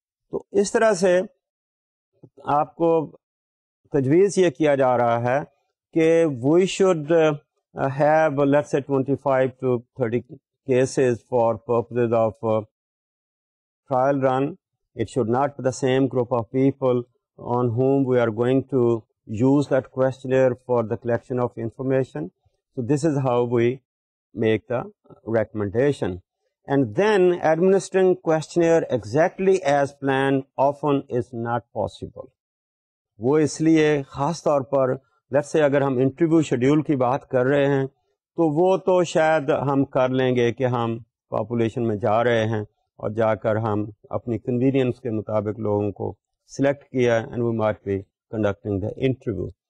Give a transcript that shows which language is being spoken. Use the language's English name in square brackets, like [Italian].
[Urdu] تو اس طرح سے آپ کو تجویز یہ کیا جا رہا ہے کہ [English] We should have let's say 25 to 30 cases for purposes of trial run. It should not be the same group of people on whom we are going to use that questionnaire for the collection of information. So this is how we make the recommendation. And then administering questionnaire exactly as planned often is not possible. [Urdu] وہ اس لیے خاص طور پر let's say اگر ہم interview schedule کی بات کر رہے ہیں تو وہ تو شاید ہم کر لیں گے کہ ہم پاپولیشن میں جا رہے ہیں اور جا کر ہم اپنی کنوینئنس کے مطابق لوگوں کو سلیکٹ کیا [English] And we might be conducting the interview.